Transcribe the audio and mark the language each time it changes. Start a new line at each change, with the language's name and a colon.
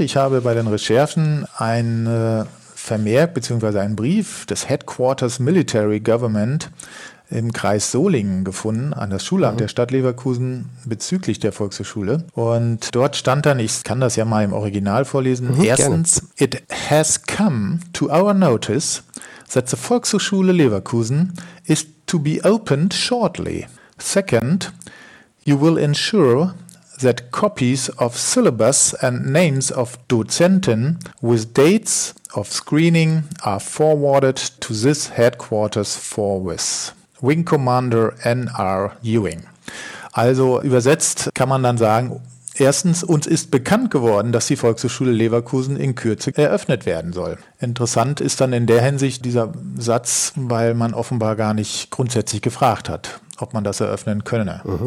German: Ich habe bei den Recherchen ein Vermerk bzw. einen Brief des Headquarters Military Government im Kreis Solingen gefunden, an das Schulamt der Stadt Leverkusen bezüglich der Volkshochschule. Und dort stand dann, ich kann das ja mal im Original vorlesen, erstens, gerne.
English: It has come to our notice that the Volkshochschule Leverkusen is to be opened shortly. Second, you will ensure that copies of syllabus and names of Dozenten with dates of screening are forwarded to this headquarters forthwith. Wing Commander N.R. Ewing.
German: Also übersetzt kann man dann sagen, erstens, uns ist bekannt geworden, dass die Volkshochschule Leverkusen in Kürze eröffnet werden soll. Interessant ist dann in der Hinsicht dieser Satz, weil man offenbar gar nicht grundsätzlich gefragt hat, ob man das eröffnen könne. Mhm.